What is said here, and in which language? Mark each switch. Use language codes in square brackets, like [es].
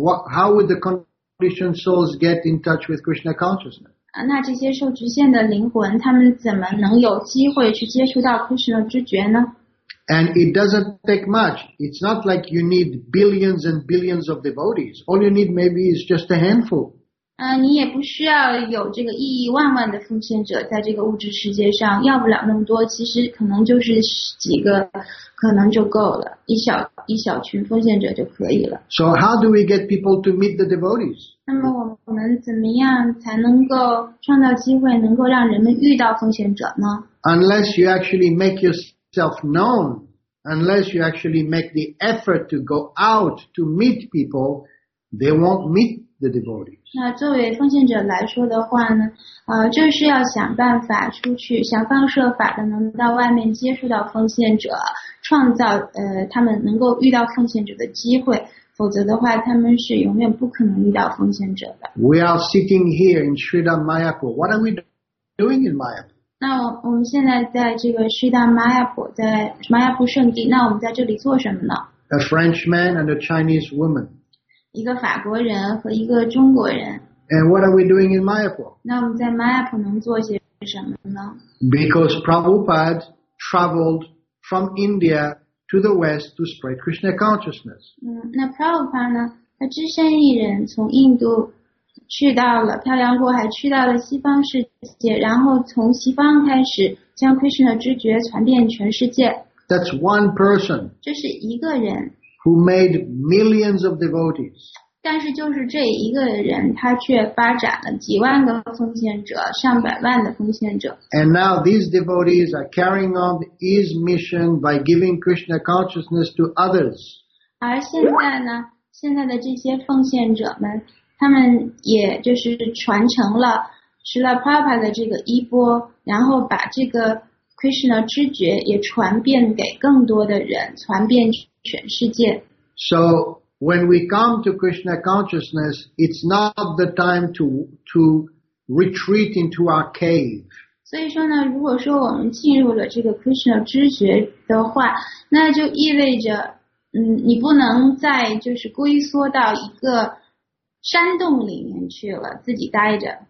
[en] How would the conditioned souls get in touch with Krishna consciousness? [zh] 那这些受局限的灵魂，他们怎么能有机会去接触到 Krishna 知觉呢？ [en] And it doesn't take much. It's not like you need billions and billions of devotees. All you need maybe is just a handful. [zh] 你也不需要有这个亿亿万万的奉献者在这个物质世界上，要不了那么多，其实可能就是几个，可能就够了，一小群奉献者就可以了。 [en] So how do we get people to meet the devotees? [zh] 那么我们怎么样才能够创造机会，能够让人们遇到奉献者呢？ [en] Unless you actually make yourself known, unless you actually make the effort to go out to meet people, they won't meet the devotees. [zh] 那作为奉献者来说的话呢，就是要想办法出去，想方设法的能到外面接触到奉献者，创造他们能够遇到奉献者的机会，否则的话他们是永远不可能遇到奉献者的。 [en] We are sitting here in Sridhar Mayapur. What are we doing in Mayapur? [zh] 那我们现在在这个 Sridhar Mayapur, 在 Mayapur 圣地，那我们在这里做什么呢？ [en] A Frenchman and a Chinese woman. [zh] 一个法国人和一个中国人。 [en] And what are we doing in Mayapur? [zh] 那我们在 Mayapur 能做些什么呢？ [en] Because Prabhupada traveled from India to the West to spread Krishna consciousness. [zh] 那 Prabhupada 呢，他只身一人从印度去到了漂洋过海，去到了西方世界，然后从西方开始将 Krishna 知觉传遍全世界。 [en] That's one person. [zh] 这是一个人。 [en] Who made millions of devotees. [zh] 但是就是这一个人，他却发展了几万个奉献者，上百万的奉献者。 [en] And now these devotees are carrying on his mission by giving Krishna consciousness to others. [zh] 而现在呢，现在的这些奉献者们，他们也就是传承了Srila Prabhupada的这个衣钵，然后把这个Krishna 知觉也传遍给更多的人，传遍全世界。 [en] So When we come to Krishna consciousness, it's not the time to retreat into our cave. [zh] 所以说呢，如果说我们进入了这个 Krishna 知觉的话，那就意味着，你不能再就是龟缩到一个山洞里面去了，自己待着。